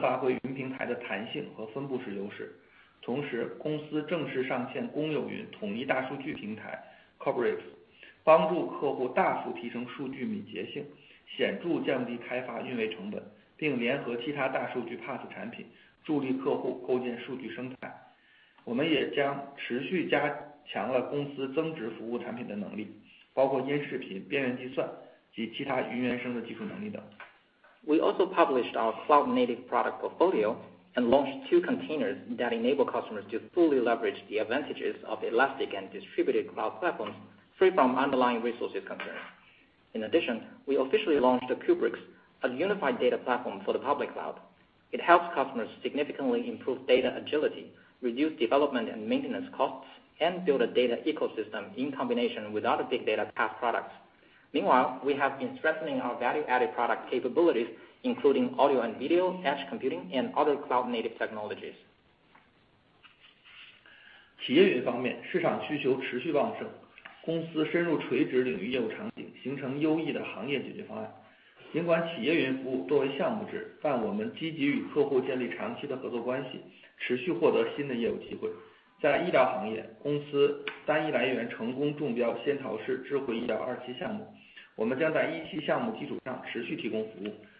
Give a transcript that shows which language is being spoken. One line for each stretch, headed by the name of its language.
Chinese: 此外，公司发布云原生全景图以及两款容器产品，使得客户无需考虑底层资源，充分发挥云平台的弹性和分布式优势。同时，公司正式上线公有云统一大数据平台 Corbis， 帮助客户大幅提升数据敏捷性，显著降低开发运维成本，并联合其他大数据 PaaS 产品，助力客户构建数据生态。我们也将持续加强了公司增值服务产品的能力，包括音视频、边缘计算及其他云原生的技术能力等。
English: We also published our cloud native product portfolio and launched two containers that enable customers to fully leverage the advantages of elastic and distributed cloud platforms free from underlying resources concerns. In addition, we officially launched Kubricks, a unified data platform for the public cloud. It helps customers significantly improve data agility, reduce development and maintenance costs, and build a data ecosystem in combination with other big data PaaS products. Meanwhile, we have been strengthening our value-added product capabilities including audio and video, edge computing, and other cloud-native technologies.
Chinese: 企业云方面，市场需求持续旺盛，公司深入垂直领域业务场景，形成优异的行业解决方案。尽管企业云服务作为项目制，但我们积极与客户建立长期的合作关系，持续获得新的业务机会。在医疗行业，公司单一来源成功中标仙桃市智慧医疗二期项目，我们将在一期项目基础上持续提供服务。